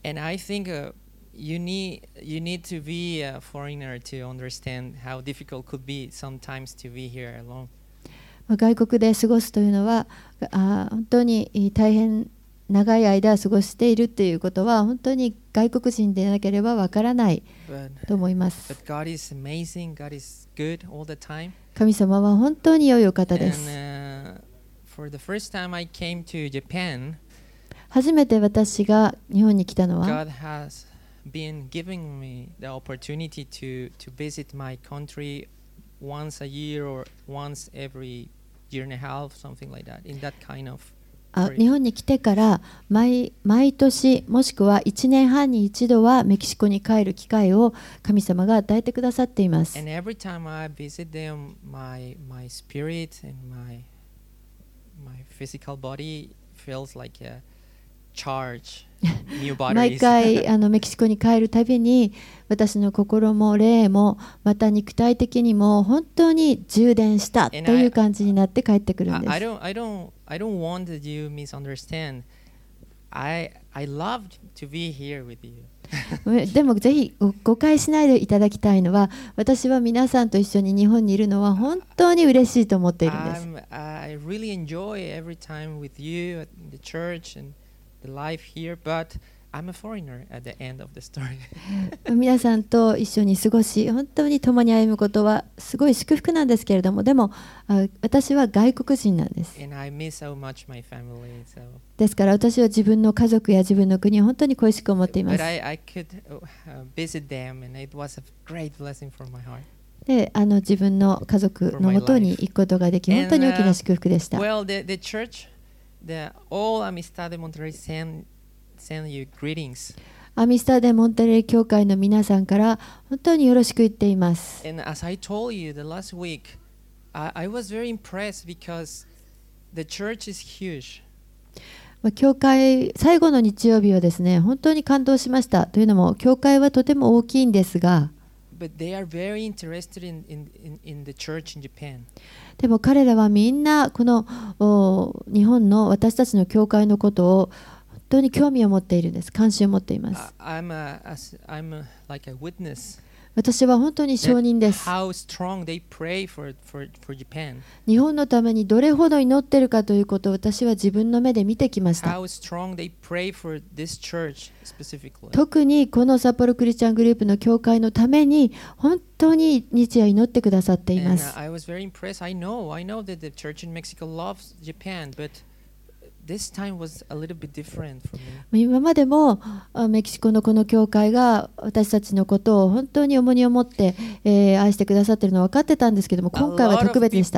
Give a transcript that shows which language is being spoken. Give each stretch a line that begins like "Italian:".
English: And I think you need to be a foreigner to understand how difficult could be sometimes to be here alone.
Japanese: 外国で過ごすというのは本当に大変長い間過ごしているということは本当に外国人でなければわからないと思います。
English: but God is amazing. God is good all the time.
Japanese: 神様は本当に良いお方です。
English: And, for the first time I came to Japan,
Japanese: 初めて私が日本に来たのは
English: God has been giving me the opportunity to visit my country once a year or once every year and a half, something like that, in that kind of
Japanese: 日本に来てから 毎年もしくは1年半に一度はメキシコに帰る機会を神様が与えてくださっています。
English: And every time I visit them, my spirit and my physical body feels like a charge, new bodies.
Japanese: 毎回メキシコに帰るたびに私の心も霊もまた肉体的にも本当に充電したという感じになって帰ってくるんです。
English: I don't want you to misunderstand. I loved to be here with you.
Japanese: でもぜひ誤解しないでいただきたいのは、私は皆さんと一緒に日本にいるのは本当に嬉しいと思っているんです。
English: I really enjoy every time with you at the church and the life here, but I'm a foreigner at the end of the story.
Japanese: 皆さんと一緒に過ごし、本当に共に歩むことはすごい祝福なんですけれども、でも私は外国人なんです。
English: And I miss so much my family, so.
Japanese: ですから私は自分の家族や自分の国を本当に恋しく思っています。
English: But I could visit them and it was a great blessing for my heart.
Japanese: で、自分の家族のもとに行くことができ、本当に大きな祝福でした。
English: And, well, the church, the all Amistad de Monterrey send you greetings.
Japanese: アミスタデモンテレイ教会の皆さんから本当によろしく言っています。
English: And as I told you the last week, I was very impressed because the church is huge.
Japanese: 教会最後の日曜日はですね、本当に感動しました。というのも教会はとても大きいんですが、
English: But they are very interested in the church in Japan.
Japanese: でも彼らはみんなこの日本の私たちの教会のことを本当に興味を持っているんです。関心を持っています。
English: I'm like a witness.
Japanese: 私は本当に証人です。
English: How strong they pray for Japan.
Japanese: 日本のためにどれほど祈っているかということを私は自分の目で見てきました。
English: How strong they pray for this church specifically.
Japanese: 特にこの札幌クリスチャングループの教会のために本当に日夜祈ってくださっています。
English: And, I was very impressed. I know that the church in Mexico loves Japan, butThis time was a little bit different for me.
Japanese: 今までもメキシコのこの教会が私たちのことを本当に重荷を持って、愛してくださっているのは分かってたんですけども、今回は特別でした。